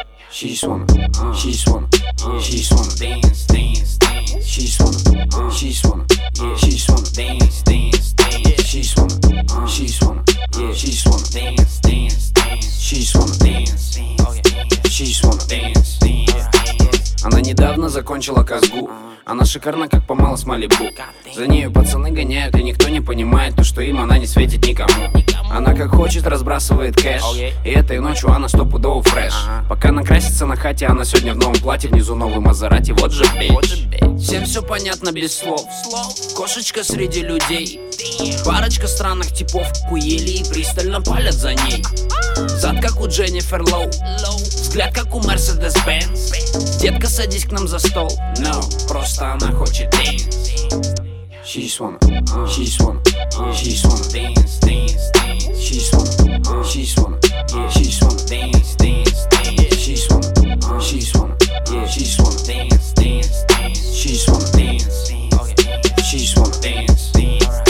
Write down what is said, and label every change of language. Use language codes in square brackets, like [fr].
[en] She just wanna, she just wanna, she just wanna dance, dance, dance. She just wanna, she just wanna, she just wanna dance, dance, dance. She just wanna, she just wanna, she just wanna dance, dance, dance. She just wanna dance, she just wanna dance, dance. [ru] Она недавно закончила КазГУ. Она шикарна, как помала с Малибу. За нею пацаны гоняют, и никто не понимает то, что им она не светит никому. Она как хочет, разбрасывает кэш. И этой ночью она стопудово фреш. Пока накрасится на хате, она сегодня в новом платье, внизу новый Мазерати, вот же бич. Всем все понятно без слов. Кошечка среди людей. Парочка странных типов куели и пристально палят за ней. Зад как у Дженнифер Лоу. Взгляд как у Мерседес Бенц. Детка, садись к нам за стол. [en] No. [ru] Просто она хочет [en] dance. She just wanna, she just wanna, she just wanna dance, dance, dance. She just wanna, she just wanna, she just wanna dance, dance, dance. She just wanna, she just wanna, she just wanna dance, dance, dance. She just wanna dance, she just wanna dance, dance.